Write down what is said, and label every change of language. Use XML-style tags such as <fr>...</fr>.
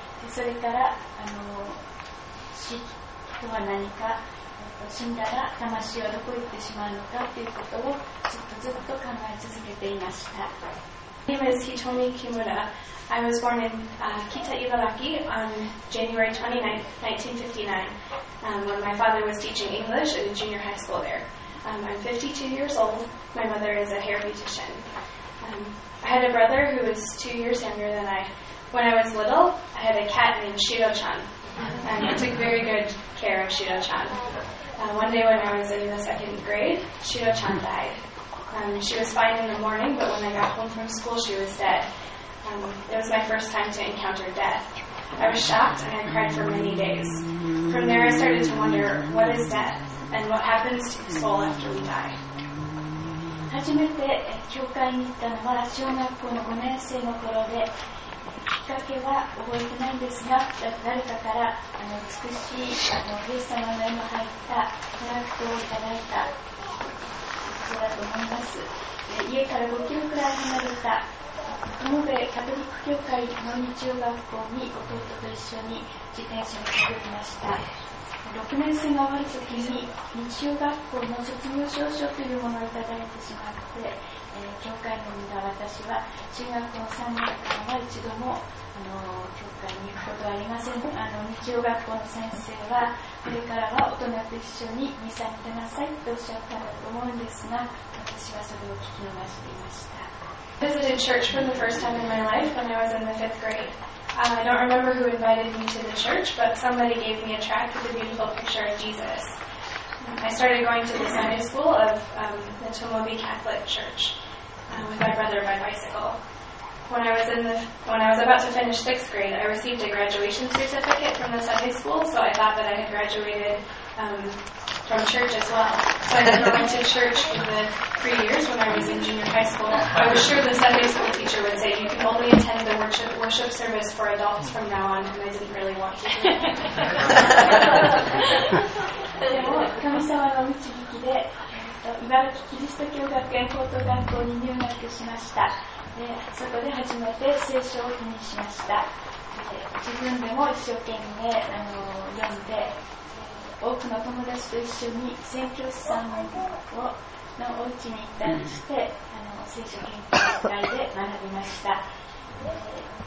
<ja>で、それから死とは何か、死んだら魂はどこ行ってしまうのかということをずっとずっと考え続けていました。</ja> <en>My name is Hitomi Kimura. I was born in Kita, Ibaraki on January 29th, 1959, when my father was teaching English in junior high school there. I'm 52 years old. My mother is a hair beautician. I had a brother who was 2 years younger than I. When I was little, I had a cat named Shiro-chan. And I took very good care of Shiro-chan. One day when I was in the second grade, Shiro-chan died. She was fine in the morning, but when I got home from school, she was dead. It was my first time to encounter death. I was shocked and I cried for many days. From there, I started to wonder, what is death? And what happens to the soul after we die?</en> <ja>初めて教会に行ったのは小学校の5年生の頃で、きっかけは覚えてないんですが、誰かから美しいイエス様の絵の入ったトラクトをいただいたことだと思います。で、家から5キロくらい離れた友部カトリック教会の日曜学校に弟と一緒に自転車に乗ってきました。 6年生が終わる時に日曜学校の卒業証書というものをいただいてしまって、教会の皆、私は中学校3年間は一度も教会に行くことはありません。日曜学校の先生はこれからは大人と一緒にミサに出なさいとおっしゃったんだと思うんですが、私はそれを聞き逃していました。</ja> <en>I visited church for the first time in my life when I was in the 5th grade. I don't remember who invited me to the church, but somebody gave me a tract with a beautiful picture of JesusI started going to the Sunday school of the Tomobi Catholic Church with my brother by bicycle. When I was about to finish 6th grade, I received a graduation certificate from the Sunday school, so I thought that I had graduated from church as well. So I never went to church for the 3 years when I was in junior high school. I was sure the Sunday school teacher would say, you can only attend the worship service for adults from now on, and I didn't really want to do that.</en> <ja>でも神様の導きで、茨城キリスト教学園高等学校に入学しました。で、そこで初めて聖書を手にしました。自分でも一生懸命読んで、多くの友達と一緒に宣教師さんのお家に行ったりして聖書研究会で学びました。</ja>